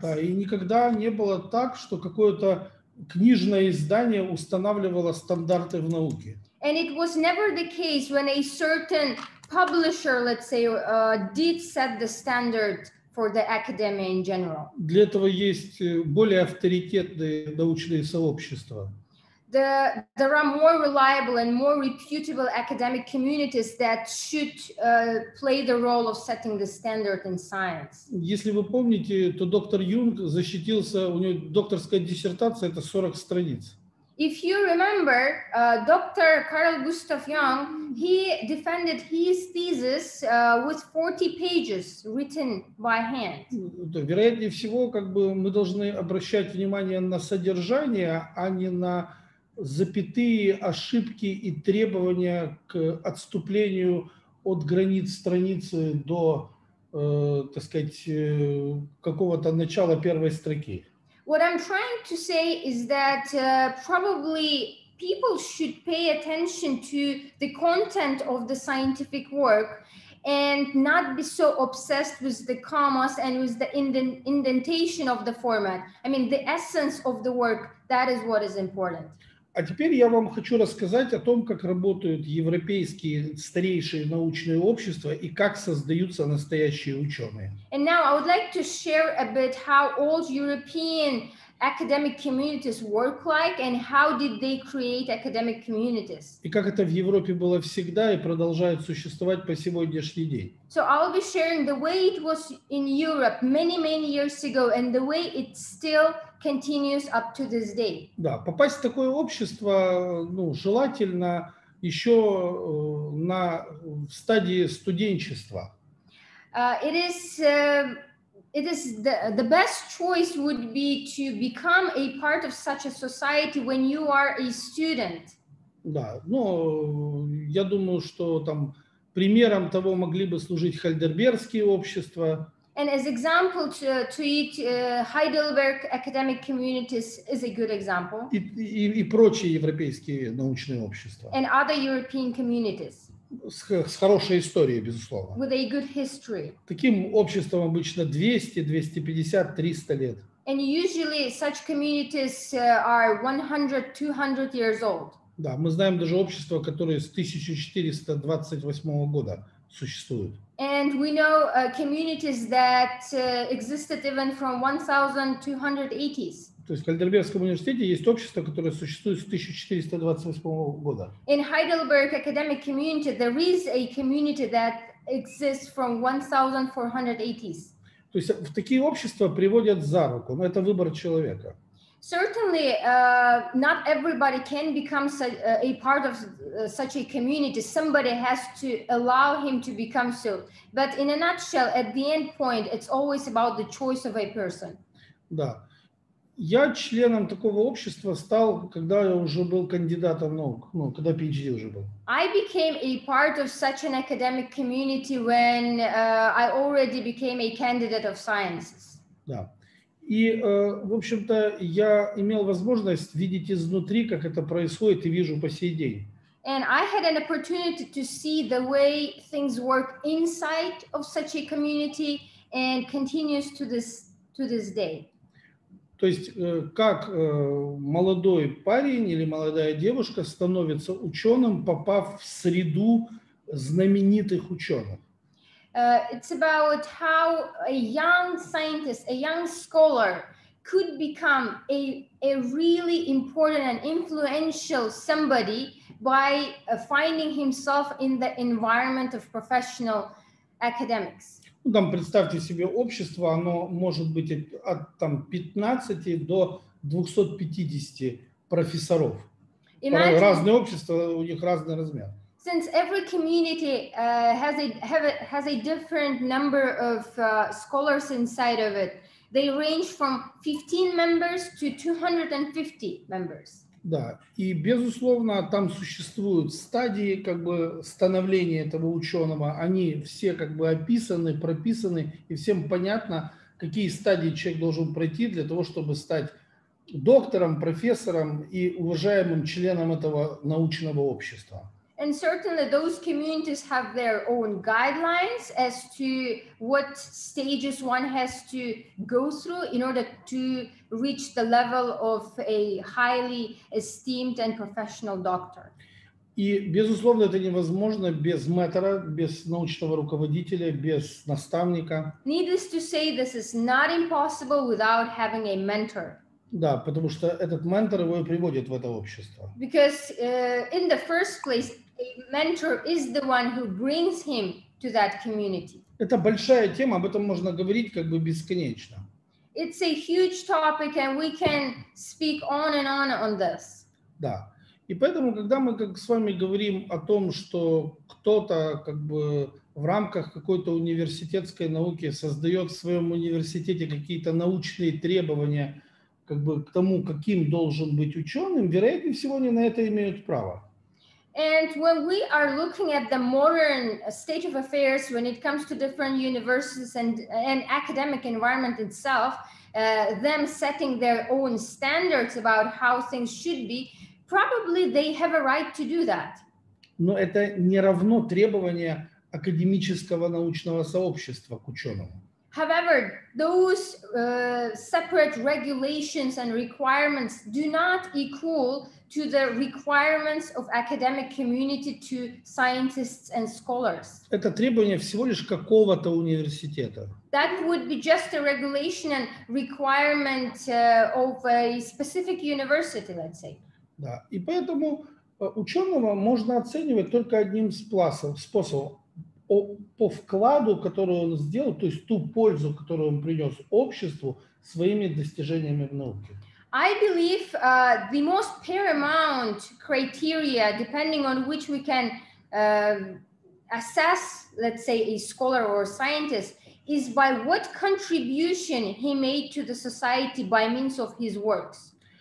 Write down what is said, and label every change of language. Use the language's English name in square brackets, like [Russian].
[Russian] Да, и никогда не было так, что какое-то книжное издание устанавливало стандарты в науке. [English] And it was never the case when a certain publisher, let's say, did set the standard for the academia in general. [Russian] Для этого есть более авторитетные научные сообщества. [English] There are more reliable and more reputable academic communities that should play the role of setting the standard in science. [Russian] Если вы помните, то доктор Юнг защитился, у него докторская диссертация это 40 страниц. [English] If you remember, Dr. Carl Gustav Jung, he defended his thesis with 40 pages written by hand. [Russian] Вероятнее всего, как бы мы должны обращать внимание на содержание, а не на запятые, ошибки и требования к отступлению от границ страницы до, так сказать, какого-то начала первой строки. [English] What I'm trying to say is that probably people should pay attention to the content of the scientific work and not be so obsessed with the commas and with the indentation of the format. I mean, the essence of the work, that is what is important. [Russian] А теперь я вам хочу рассказать о том, как работают европейские старейшие научные общества и как создаются настоящие ученые. [English] And now I would like to share a bit how old European academic communities work like and how did they create academic communities. [Russian] И как это в Европе было всегда и продолжает существовать по сегодняшний день. [English] So I will be sharing the way it was in Europe many, many years ago and the way it still continues up to this day. [Russian] Да, попасть в такое общество, ну, желательно еще на в стадии студенчества. [English] It is the best choice would be to become a part of such a society when you are a student. [Russian] Да, ну, я думаю, что там примером того могли бы служить Хайдельбергские общества. [English] And as example to it, Heidelberg academic communities is a good example. [Russian] И прочие европейские научные общества. [English] And other European communities. [Russian] С хорошей историей, безусловно. [English] With a good history. [Russian] Таким обществом обычно 200, 250, 300 лет. [English] And usually such communities are 100, 200 years old. [Russian] Да, мы знаем даже общества, которые с 1428 года существуют. [English] And we know communities that existed even from 1280s. [Russian] То есть в Хайдельбергском университете есть общество, которое существует с 1428 года. [English] In Heidelberg academic community there is a community that exists from 1480s. [Russian] То есть в такие общества приводят за руку, но это выбор человека. [English] Certainly, not everybody can become a part of such a community. Somebody has to allow him to become so. But in a nutshell, at the end point, it's always about the choice of a person. [Russian] Да. Я членом такого общества стал, когда я уже был кандидатом наук, ну, когда PhD уже был. [English] I became a part of such an academic community when I already became a candidate of sciences. [Russian] Да. И, в общем-то, я имел возможность видеть изнутри, как это происходит, и вижу по сей день. [English] And I had an opportunity to see the way things work inside of such a community and continues to this day. [Russian] То есть, как молодой парень или молодая девушка становится ученым, попав в среду знаменитых ученых? [English] It's about how a young scientist, a young scholar could become a really important and influential somebody by finding himself in the environment of professional academics. [Russian] Ну, там, представьте себе общество, оно может быть от там, 15 до 250 профессоров. [English] Imagine. [Russian] Разные общества, у них разный размер. [English] Since every community has a different number of scholars inside of it, they range from 15 members to 250 members. [Russian] Да, и безусловно, там существуют стадии как бы становления этого ученого. Они все как бы описаны, прописаны, и всем понятно, какие стадии человек должен пройти для того, чтобы стать доктором, профессором и уважаемым членом этого научного общества. [English] And certainly those communities have their own guidelines as to what stages one has to go through in order to reach the level of a highly esteemed and professional doctor. [Russian] И, безусловно, это невозможно без ментора, без научного руководителя, без наставника. [English] Needless to say, this is not impossible without having a mentor. [Russian] Да, потому что этот ментор его и приводит в это общество. [English] Because in the first place, a mentor is the one who brings him to that community. [Russian] Это большая тема, об этом можно говорить как бы бесконечно. [English] It's a huge topic, and we can speak on and on this. [Russian] Да, и поэтому, когда мы как с вами говорим о том, что кто-то как бы в рамках какой-то университетской науки создает в своем университете какие-то научные требования как бы к тому, каким должен быть ученым, вероятнее всего, они на это имеют право. [English] And when we are looking at the modern state of affairs, when it comes to different universities and academic environment itself, them setting their own standards about how things should be, probably they have a right to do that. [Russian] Но это не равно требование академического научного сообщества к ученому. [English] However, those separate regulations and requirements do not equal to the requirements of academic community to scientists and scholars. [Russian] Это требование всего лишь какого-то университета. [English] That would be just a regulation and requirement of a specific university, let's say. [Russian] Да, и поэтому ученого можно оценивать только одним способом. По вкладу, который он сделал, то есть ту пользу, которую он принес обществу своими достижениями в науке. [English] I believe the most paramount criteria, depending on which we can assess, let's say, a scholar or a scientist, is by what contribution he made to the society by means of his works.